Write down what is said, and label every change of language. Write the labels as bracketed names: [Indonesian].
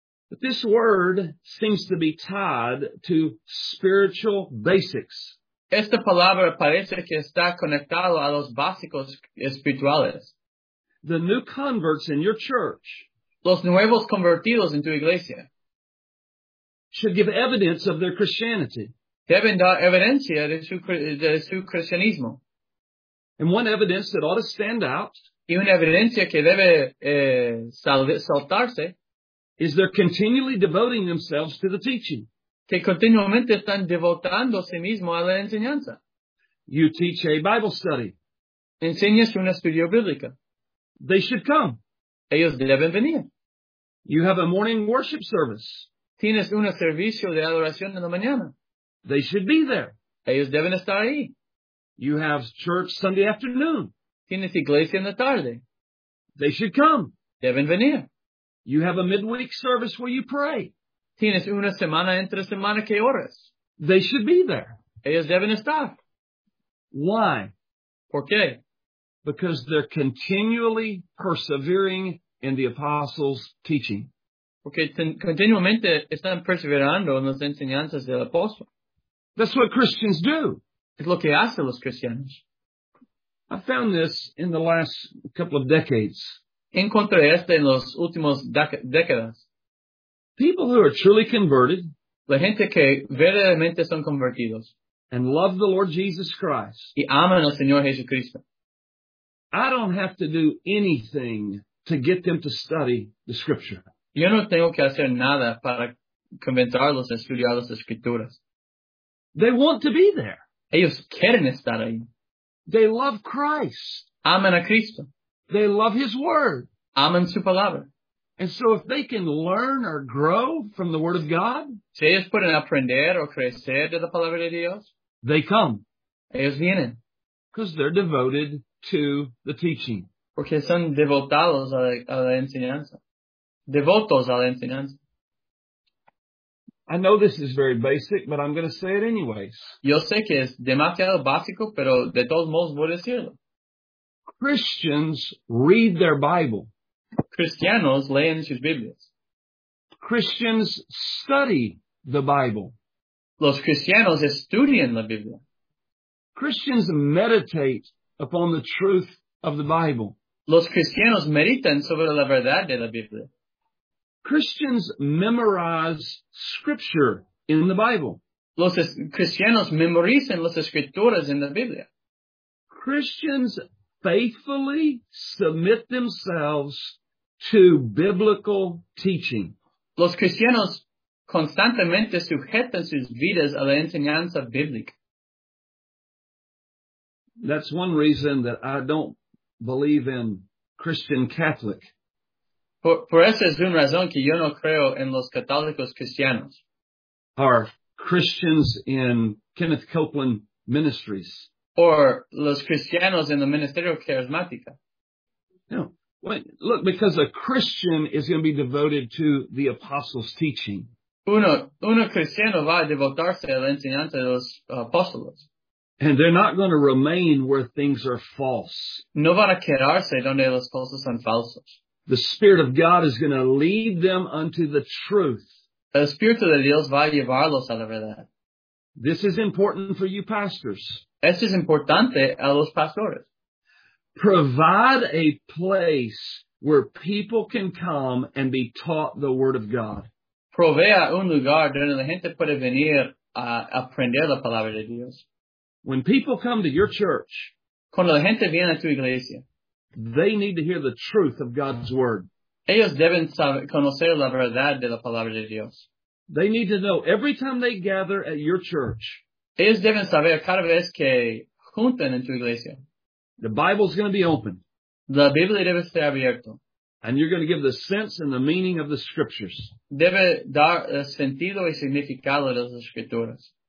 [English] But this word seems to be tied to spiritual basics. [Spanish] Esta palabra parece que está conectado a los básicos espirituales. [English] The new converts in your church. [Spanish] Los nuevos convertidos en tu iglesia. [English] Should give evidence of their Christianity. [Spanish] Deben dar evidencia de su cristianismo. [English] And one evidence that ought to stand out. [Spanish] Y una evidencia que debe saltarse [English] is they're continually devoting themselves to the teaching. [Spanish] Que continuamente están devotando sí mismo a la enseñanza. [English] You teach a Bible study. [Spanish] Enseñas un estudio bíblico. [English] They should come. [Spanish] Ellos deben venir. [English] You have a morning worship service. [Spanish] Tienes un servicio de adoración en la mañana. [English] They should be there. [Spanish] Ellos deben estar ahí. [English] You have church Sunday afternoon. [Spanish] Tienes iglesia en la tarde. [English] They should come. [Spanish] Deben venir. [English] You have a midweek service where you pray. [Spanish] Tienes una semana entre semana que oras. [English] They should be there. [Spanish] Ellos deben estar. [English] Why? [Spanish] ¿Por qué? [English] Because they're continually persevering in the apostles' teaching. [Spanish] Porque continuamente están perseverando en las enseñanzas del apóstol. [English] That's what Christians do. [Spanish] Es lo que hacen los cristianos. [English] I found this in the last couple of decades. [Spanish] Encontré esto en los últimos décadas. [English] People who are truly converted. [Spanish] La gente que verdaderamente son convertidos. [English] And love the Lord Jesus Christ. [Spanish] Y aman al Señor Jesucristo. [English] I don't have to do anything to get them to study the Scripture. [Spanish] Yo no tengo que hacer nada para convencerlos a estudiar las Escrituras. [English] They want to be there. [Spanish] Ellos quieren estar ahí. [English] They love Christ. [Spanish] Aman a Cristo. [English] They love His Word. [Spanish] Aman su palabra. [English] And so if they can learn or grow from the Word of God, [Spanish] si ellos pueden aprender o crecer de la palabra de Dios, [English] they come. [Spanish] Ellos vienen. [English] Because they're devoted to the teaching. [Spanish] Porque son devotados a la enseñanza. Devotos a la enseñanza. [English] I know this is very basic, but I'm going to say it anyways. [Spanish] Yo sé que es demasiado básico, pero de todos modos voy a decirlo. [English] Christians read their Bible. [Spanish] Cristianos leen sus Biblias. [English] Christians study the Bible. [Spanish] Los cristianos estudian la Biblia. [English] Christians meditate upon the truth of the Bible. [Spanish] Los cristianos meditan sobre la verdad de la Biblia. [English] Christians memorize scripture in the Bible. [Spanish] Los cristianos memorizan las escrituras en la Biblia. [English] Christians faithfully submit themselves to biblical teaching. [Spanish] Los cristianos constantemente sujetan sus vidas a la enseñanza bíblica. [English] That's one reason that I don't believe in Christian Catholic. [Spanish] Por eso es una razón que yo no creo en los católicos cristianos. [English] Or Christians in Kenneth Copeland Ministries. Or [Spanish] los cristianos en el Ministerio Carismática. [English] No. Wait, look, because a Christian is going to be devoted to the apostles' teaching. [Spanish] Uno cristiano va a devotarse a la enseñanza de los apóstoles. [English] And they're not going to remain where things are false. [Spanish] No van a quedarse donde los falsos son falsos. [English] The Spirit of God is going to lead them unto the truth. [Spanish] El Espíritu de Dios va a llevarlos a la verdad. [English] This is important for you pastors. [Spanish] Esto es importante a los pastores. [English] Provide a place where people can come and be taught the Word of God. [Spanish] Provea un lugar donde la gente puede venir a aprender la palabra de Dios. [English] When people come to your church, [Spanish] cuando la gente viene a tu iglesia, [English] they need to hear the truth of God's Word. [Spanish] Ellos deben saber, conocer la verdad de la palabra de Dios. [English] They need to know every time they gather at your church. [Spanish] Ellos deben saber cada vez que juntan en tu iglesia. [English] The Bible's going to be open. [Spanish] La Biblia debe estar abierta. [English] And you're going to give the sense and the meaning of the Scriptures. [Spanish] Debe dar sentido y significado de las Escrituras.